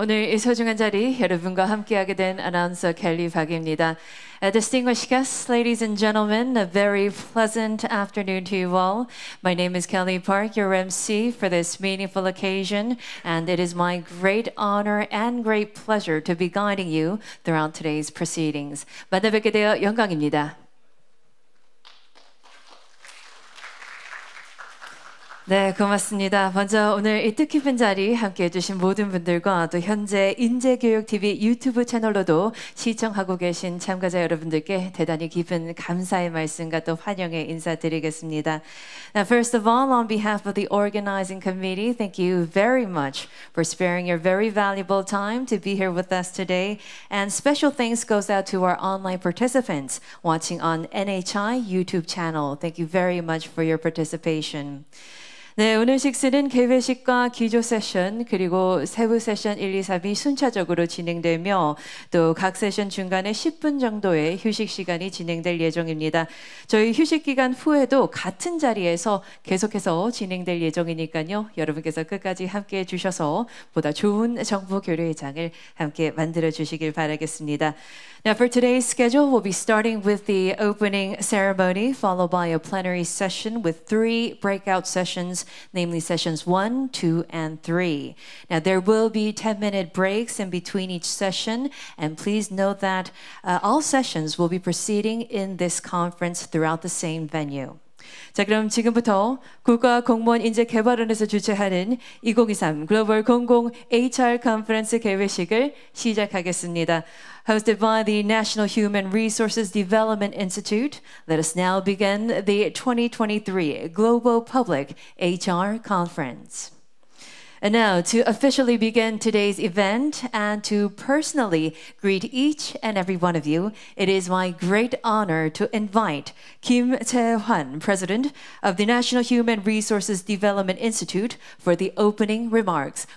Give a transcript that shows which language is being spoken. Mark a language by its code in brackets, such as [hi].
[ko] 오늘 이 소중한 자리 여러분과 함께하게 된 아나운서 켈리 박입니다. [en] Distinguished guests, ladies and gentlemen, a very pleasant afternoon to you all. My name is Kelly Park, your MC for this meaningful occasion, and it is my great honor and great pleasure to be guiding you throughout today's proceedings. [ko] 만나뵙게 되어 영광입니다. 네, 고맙습니다. 먼저 오늘 이 뜻깊은 자리 함께해 주신 모든 분들과 또 현재 인재교육TV 유튜브 채널로도 시청하고 계신 참가자 여러분들께 대단히 깊은 감사의 말씀과 또 환영의 인사드리겠습니다. [en] Now, first of all, on behalf of the organizing committee, thank you very much for sparing your very valuable time to be here with us today. And special thanks goes out to our online participants watching on NHI YouTube channel. Thank you very much for your participation. [ko] 네, 오늘 식스는 개회식과 기조 세션 그리고 세부 세션 1, 2, 3이 순차적으로 진행되며 또 각 세션 중간에 10분 정도의 휴식 시간이 진행될 예정입니다. 저희 휴식 기간 후에도 같은 자리에서 계속해서 진행될 예정이니까요. 여러분께서 끝까지 함께해 주셔서 보다 좋은 정보 교류의 장을 함께 만들어 주시길 바라겠습니다. [en] Now for today's schedule, we'll be starting with the opening ceremony followed by a plenary session with three breakout sessions, namely sessions 1, 2, and 3. Now there will be 10-minute breaks in between each session, and please note that all sessions will be proceeding in this conference throughout the same venue. [ko] 자, 그럼 지금부터 국가공무원인재개발원에서 주최하는 2023 글로벌 공공 HR 컨퍼런스 개회식을 시작하겠습니다. [en] Hosted by the National Human Resources Development Institute, let us now begin the 2023 Global Public HR Conference. And now, to officially begin today's event and to personally greet each and every one of you, it is my great honor to invite Kim Tae-hwan, President of the National Human Resources Development Institute, for the opening remarks.